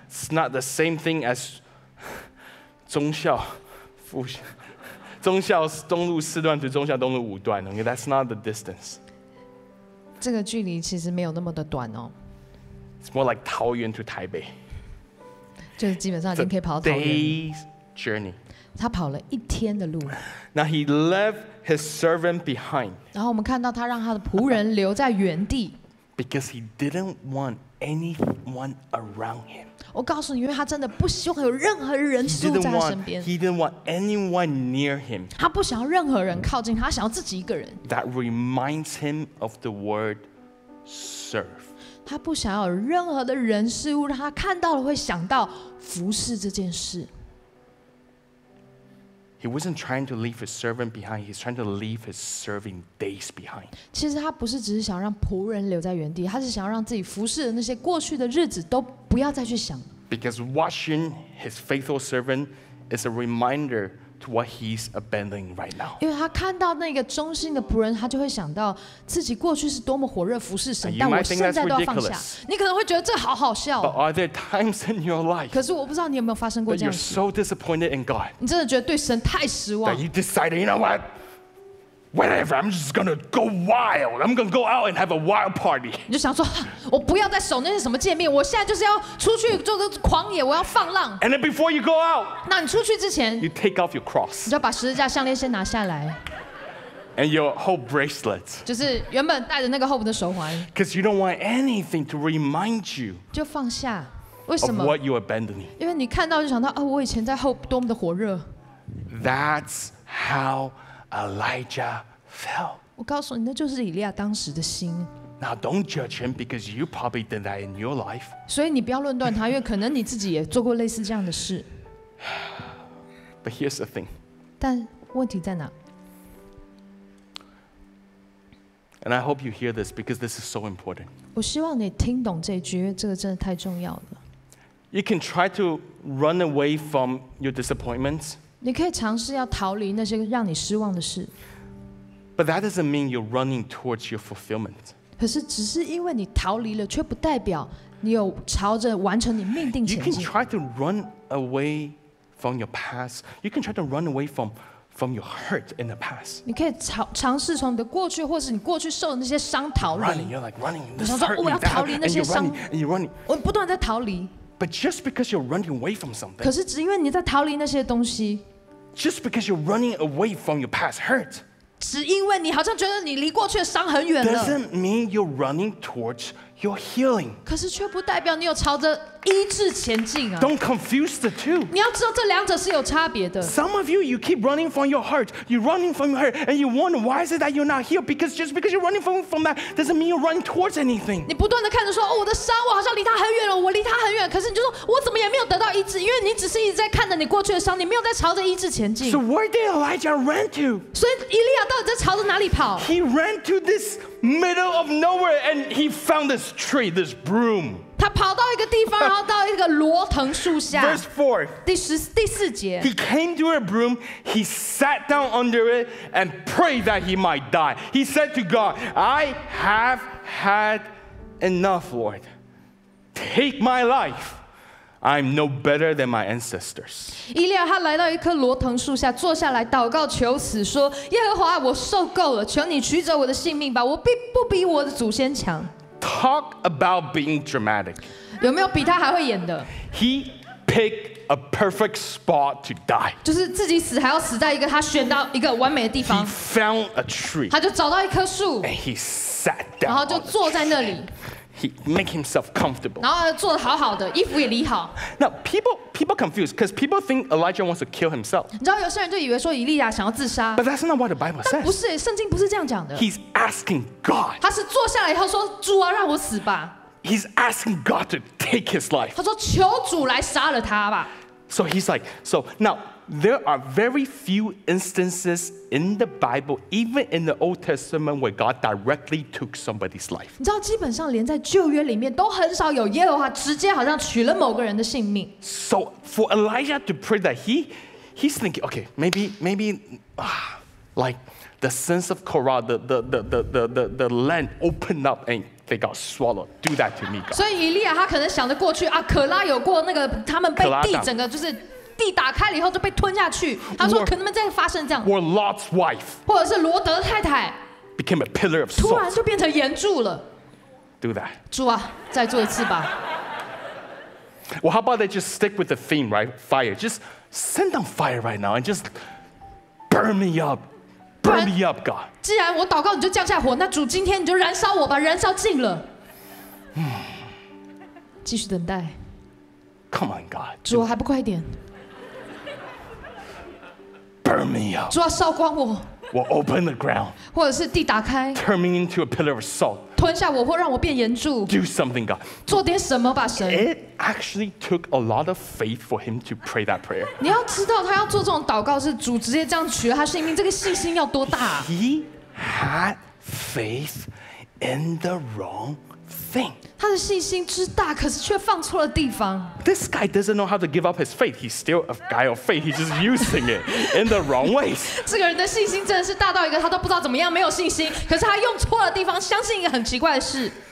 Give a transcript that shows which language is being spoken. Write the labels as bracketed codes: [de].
[en] It's not the same thing as 忠孝复兴。忠孝东路四段至忠孝东路五段 okay, that's not the distance. [zh] 这个距离其实没有那么的短哦。 [en] It's more like 桃园to 台北。 [zh] 就是基本上已经可以跑到 [en] 桃园。Day's journey. [zh] 他跑了一天的路。 [en] Now he left his servant behind. [zh] 然后我们看到他让他的仆人留在原地。 [en] Because he didn't want anyone around him. [zh] 我告诉你，因为他真的不希望有任何人住在他身边。 [en] He didn't want anyone near him. [zh] 他不想要任何人靠近他，想要自己一个人。 [en] That reminds him of the word serve. [zh] 他不想要有任何的人事物，让他看到了会想到服侍这件事。 [en] He wasn't trying to leave his servant behind. He's trying to leave his serving days behind. [zh] 其实他不是只是想让仆人留在原地，他是想要让自己服侍的那些过去的日子都不要再去想。 [en] Because watching his faithful servant is a reminder to what he's abandoning right now. [zh] 因为他看到那个忠心的仆人，他就会想到自己过去是多么火热服侍神，但我现在都要放下。你可能会觉得这好好笑。 [en] But are there times in your life? [zh] 可是我不知道你有没有发生过这样。 [en] You're so disappointed in God. [zh] 你真的觉得对神太失望。 [en] That you decided, you know what? Whatever, I'm just gonna go wild. I'm gonna go out and have a wild party. [zh] 你就想说，我不要再守那些什么诫命，我现在就是要出去做个狂野，我要放浪。 [en] And then before you go out, [zh] 那你出去之前 [en] ，you take off your cross. [zh] 你就把十字架项链先拿下来。 [en] And your hope bracelet. [zh] 就是原本戴的那个 hope 的手环。 [en] Because you don't want anything to remind you. [zh] 就放下。为什么 [en] ？Of what you're abandoning. [zh] 因为你看到就想到，哦，我以前在 hope 多么的火热。 [en] That's how. Elijah fell. [zh] 我告诉你，那就是以利亚当时的心。 [en] Now don't judge him because you probably did that in your life. [zh] 所以你不要论断他，因为可能你自己也做过类似这样的事。 [en] But here's the thing. [zh] 但问题在哪 [en] ？And I hope you hear this because this is so important. [zh] 我希望你听懂这句，因为这个真的太重要了。 [en] You can try to run away from your disappointments. [zh] 你可以尝试要逃离那些让你失望的事。 [en] But that doesn't mean you're running towards your fulfillment. [zh] 可是只是因为你逃离了，却不代表你有朝着完成你命定前进。 [en] You can try to run away from your past. You can try to run away from your hurt in the past. [zh] 你可以尝试从你的过去，或是你过去受的那些伤逃离。 [en] Running, you're like running. [zh] 你想说我要逃离那些伤 [en] ，and you're running. [zh] 我不断在逃离。 [en] But just because you're running away from something, [zh] 可是只因为你在逃离那些东西 [en] ，just because you're running away from your past hurt, [zh] 只因为你好像觉得你离过去的伤很远了 [en] ，doesn't mean you're running towards your healing. [zh] 可是却不代表你有朝着医治前进啊 [en] ！Don't confuse the two. [zh] 你要知道这两者是有差别的。 [en] Some of you, you keep running from your heart, you're running from your hurt, and you wonder why is it that you're not healed? Because just because you're running from that doesn't mean you're running towards anything. [zh] 你不断的看着说，哦，我的伤，我好像离他很远了，我离他很远。可是你就说，我怎么也没有得到医治？因为你只是一直在看着你过去的伤，你没有在朝着医治前进。 [en] So where did Elijah run to? [zh] 所以以利亚到底在朝着哪里跑 [en] ？He ran to this middle of nowhere, and he found this. Tree, this broom. [zh] 他跑到一个地方，然后到一个罗藤树下。 [en] Verse four. [zh] 第四节。 [en] He came to a broom. He sat down under it and prayed that he might die. He said to God, "I have had enough, Lord. Take my life. I'm no better than my ancestors." [zh] 以利亚他来到一棵罗藤树下，坐下来祷告求死，说：耶和华，我受够了，求你取走我的性命吧，我并不比我的祖先强。 [en] Talk about being dramatic. [zh] 有没有比他还会演的 [en] ？He pick a perfect spot to die. [zh] 就是自己死还要死在一个他选到一个完美的地方。 [en] He found a tree. [zh] 他就找到一棵树。 [en] And he sat down. [zh] 然后就坐在那里。 [en] He make himself comfortable. [zh] 然后坐得好好的，衣服也理好。 [en] Now people confused because people think Elijah wants to kill himself. [zh] 你知道有些人就以为说以利亚想要自杀。 [en] But that's not what the Bible says. [zh] 但不是，圣经不是这样讲的。 [en] He's asking God. [zh] 他是坐下来以后说，主啊，让我死吧。 [en] He's asking God to take his life. [zh] 他说求主来杀了他吧。 [en] So he's like, so now there are very few instances in the Bible, even in the Old Testament, where God directly took somebody's life. [zh] 你知道，基本上连在旧约里面都很少有耶和华直接好像取了某个人的性命。 [en] So for Elijah to pray that he's thinking, okay, maybe, like the sins of Korah, the land opened up and. They got swallowed. Do that to me, God. [zh] 所以以利亚他可能想着过去啊，可拉有过那个他们被地整个就是地打开了以后就被吞下去。他说可能们在发生这样。 [en] Or Lot's wife. [zh] 或者是罗德太太。 [en] Became a pillar of salt. [zh] 突然就变成岩柱了。 [en] Do that. [zh] 主啊，再做一次吧。 [en] Well, how about they just stick with the theme, right? Fire. Just send down fire right now and just burn me up. Burn me up, God. [zh] 既然我祷告你就降下火，那主今天你就燃烧我吧，燃烧尽了。继续等待。 [en] Come on, God. [zh] 主啊，还不快点 [en] ！Burn me up. [zh] 主啊，烧光我。我 [en] open the ground. [zh] 或者是地打开。 [en] Turn me into a pillar of salt. [zh] 吞下我或让我变岩柱。 [en] Do something, God. [zh] 做点什么吧，神。 [en] It actually took a lot of faith for him to pray that prayer. [zh] 你要知道，他要做这种祷告，是主直接这样取了他性命，这个信心要多大 [en] ？He had faith in the wrong thing. [zh] 他的信心之大，可是却放错了地方。 [en] This guy doesn't know how to give up his faith. He's still a guy of faith. He's just using it in the wrong ways. [zh] 这个人的信心真的是大到一个他都不知道怎么样，没有信心，可是他用错了地方，相信一个很奇怪的事。